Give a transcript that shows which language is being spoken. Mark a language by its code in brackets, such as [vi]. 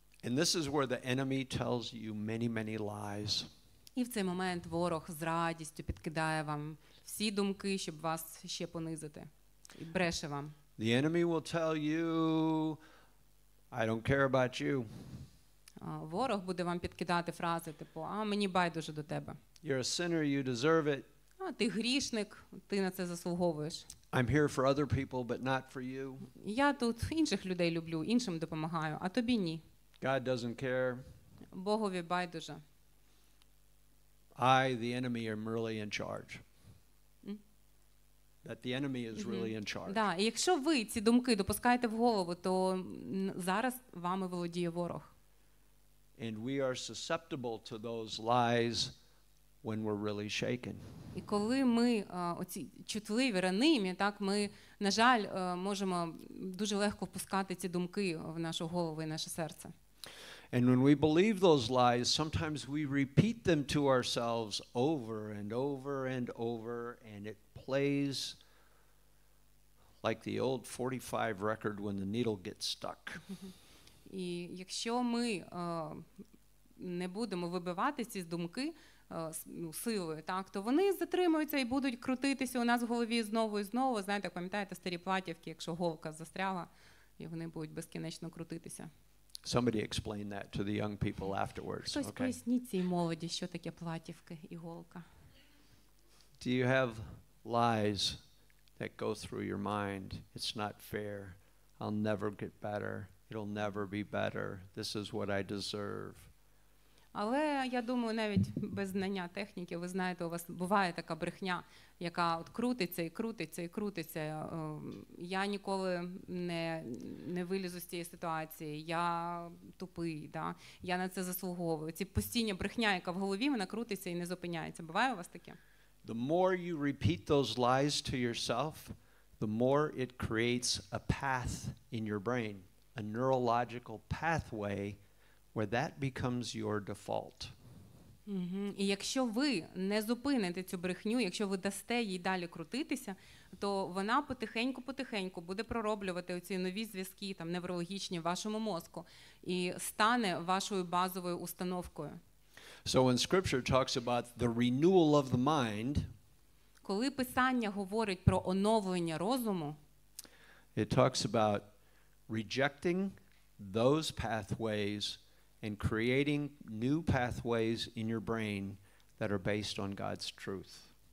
[en] And this is where the enemy tells you many, many lies. [uk] І в цей момент ворог з радістю підкидає вам всі думки, щоб вас ще понизити. І бреше вам. [en] The enemy will tell you, I don't care about you. [uk] Ворог буде вам підкидати фрази, типу, а мені байдуже до тебе. [en] You're a sinner, you deserve it. [uk] А ти грішник, ти на це заслуговуєш. [en] I'm here for other people, but not for you. [uk] Я тут інших людей люблю, іншим допомагаю, а тобі ні. [en] God doesn't care. [uk] Богові байдуже. [en] I, the enemy, am really in charge. That the enemy is really in charge. [uk] Да, і якщо ви ці думки допускаєте в голову, то зараз вами володіє ворог. [en] And we are susceptible to those lies when we're really shaken. [uk] І коли ми оці чутливі, ранимі, так, ми, на жаль, можемо дуже легко впускати ці думки в нашу голову і наше серце. [en] And when we believe those lies, sometimes we repeat them to ourselves over and over and over, and it plays like the old 45 record when the needle gets stuck. [uk] І якщо ми не будемо вибивати ці думки силою, так, то вони затримуються і будуть крутитися у нас в голові знову і знову. Знаєте, пам'ятаєте старі платівки, якщо голка застряла, і вони будуть безкінечно крутитися. [en] Somebody explain that to the young people afterwards. [uk] Хтось поясніть цій молоді, що таке платівки і голка. [en] Do you have lies that go through your mind? It's not fair. I'll never get better. It'll never be better. This is what I deserve. [uk] Але я думаю, навіть без знання техніки, ви знаєте, у вас буває така брехня, яка от крутиться і крутиться і крутиться. Я ніколи не вилізу з цієї ситуації. Я тупий, да? Я на це заслуговую. Ці постійні брехня, яка в голові, вона крутиться і не зупиняється. Буває у вас таке? [en] The more you repeat those lies to yourself, the more it creates a path in your brain, a neurological pathway where that becomes your default. [uk] І якщо ви не зупините цю брехню, якщо ви дасте їй далі крутитися, то вона потихеньку-потихеньку буде пророблювати оці нові зв'язки там неврологічні в вашому мозку і стане вашою базовою установкою. [en] So when scripture talks about the renewal of the mind, [uk] коли писання говорить про оновлення розуму, [en] it talks about rejecting those pathways and creating new pathways in your brain that are based on God's truth.